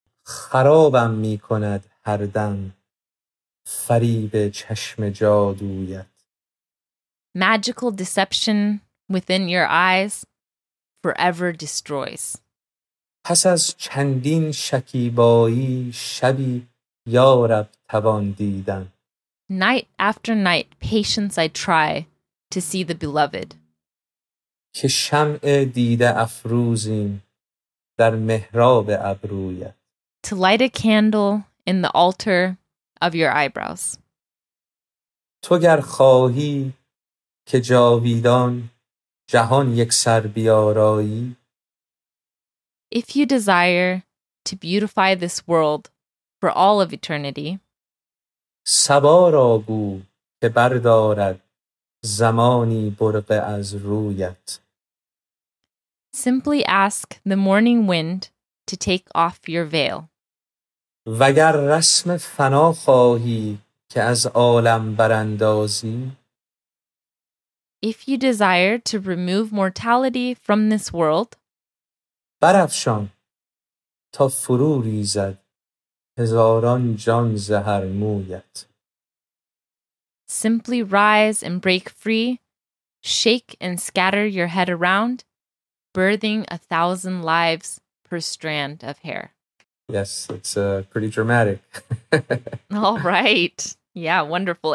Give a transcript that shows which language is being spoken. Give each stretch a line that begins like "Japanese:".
Persian: خرابم می کند هر دم فریب چشم جادویت.
English: Magical deception within your eyes forever destroys.
Persian: پس از چندین شکیبایی شبی یارب توان دیدن.
English: Night after night patience I try to see the beloved.
Persian: که شمع دیده افروزیم در محراب ابرویت.
English: To light a candle in the altar of your eyebrows.
Persian: تو گر خواهی که جاویدان جهان یک سر بیارایی.
English: If you desire to beautify this world for all of eternity.
Persian: سبا را گو که بردارد زمانی برق از رویت.
English: Simply ask the morning wind to take off your veil.
Persian: وگر رسم فنا خواهی که از عالم براندازی.
English: If you desire to remove mortality from this world.
Persian: برفشان تا فرو ریزد هزاران جان زهر مویت.
English: Simply rise and break free, shake and scatter your head around, birthing a thousand lives per strand of hair. Yes, it's pretty dramatic. All right. Yeah, wonderful.